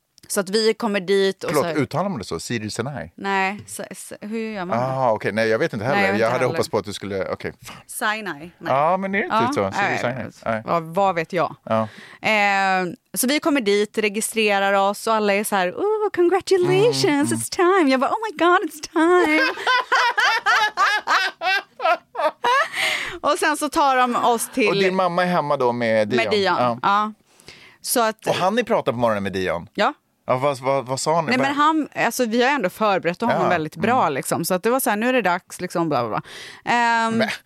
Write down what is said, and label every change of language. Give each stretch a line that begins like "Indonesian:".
Swedish: Så att vi kommer dit och... Förlåt, uttalar man det så? Cedars-Sinai? Nej, hur gör man det? Ah, okej. Okay. Nej, jag vet inte heller. Nej, jag hade hoppats på att du skulle...
English: Okay.
Swedish: Sinai. Ja, ah, men det är inte så. Cedars-Sinai. Vad vet jag? Ah. Så vi kommer dit, registrerar oss och alla är så här...
English: Oh, congratulations, it's time.
Swedish: Jag bara,
English: oh my god, it's time.
Swedish: Och sen så tar de oss till... Och din mamma är hemma då med Dion. Med Dion, ja. Så att, och han ni pratade på morgonen med Dion? Ja. Ja, vad sa han? Nej, men han, alltså, vi har ändå förberett honom väldigt bra. Liksom, så att det var så här, nu är det dags. Liksom, bla, bla, bla.